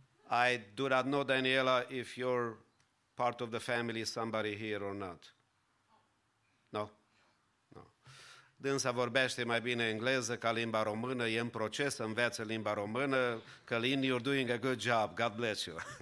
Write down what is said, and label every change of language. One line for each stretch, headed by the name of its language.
English: I do not know, Daniela, if you're part of the family, somebody here or not. No? No.
Romanian: Dânsa vorbește mai bine engleză ca limba română, e în proces, învețe limba română.
English: Călin, you're doing a good job, God bless you.